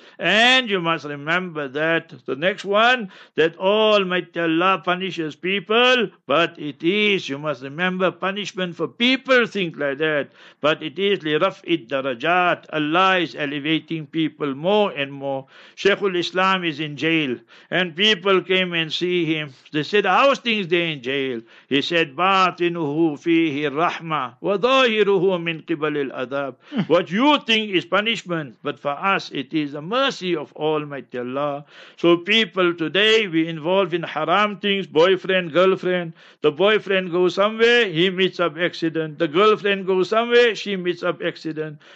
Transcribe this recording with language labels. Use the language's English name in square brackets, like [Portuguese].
[English] And you must remember that the next one, that Almighty Allah punishes people, but it is, you must remember, punishment for people think like that, but it is [Arabic] لِرَفْءِ الدَّرَجَاتِ. [English] Allah is elevating people more and more. Sheikhul Islam is in jail, and people came and see him. They said, how's things there in jail? He said, [Arabic] بَاطِنُهُ فِيهِ الرَّحْمَةِ وَظَاهِرُهُ مِنْ قِبَلِ الْأَذَابِ. [English] What you think is punishment, but for us it is the mercy of Almighty Allah. So people today, we involve in haram things, boyfriend, girlfriend. The boyfriend goes somewhere, he meets up accident. The girlfriend goes somewhere, she meets up accident.